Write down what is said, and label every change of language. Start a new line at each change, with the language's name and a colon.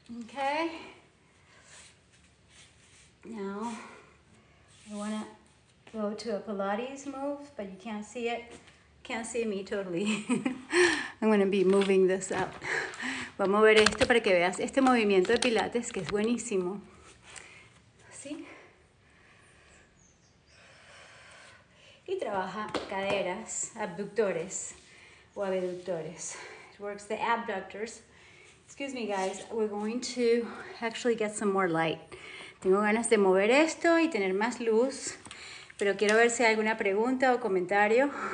English: Okay. Now. I want to go to a Pilates move, but you can't see it. Can't see me totally. I'm going to be moving this out.
Spanish: Voy a mover esto para que veas este movimiento de pilates que es buenísimo. ¿Sí? Y trabaja caderas, abductores o abductores.
English: It works the abductors. Excuse me, guys. We're going to actually get some more light.
Spanish: Tengo ganas de mover esto y tener más luz, pero quiero ver si hay alguna pregunta o comentario.